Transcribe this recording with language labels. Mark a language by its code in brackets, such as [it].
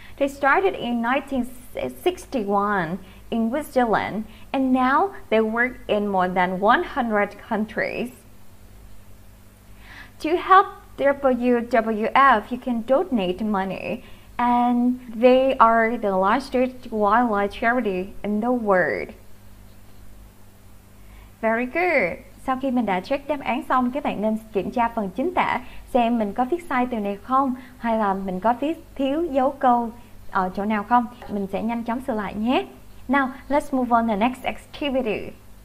[en] They started in 1961 in Switzerland, and now they work in more than 100 countries. To help WWF, you can donate money, and they are the largest wildlife charity in the world. Very good. [vi] sau khi mình đã check đáp án xong, các bạn nên kiểm tra phần chính tả xem mình có viết sai từ này không, hay là mình có viết thiếu dấu câu ở chỗ nào không. Mình sẽ nhanh chóng sửa lại nhé. [en] Now, let's move on to the next activity.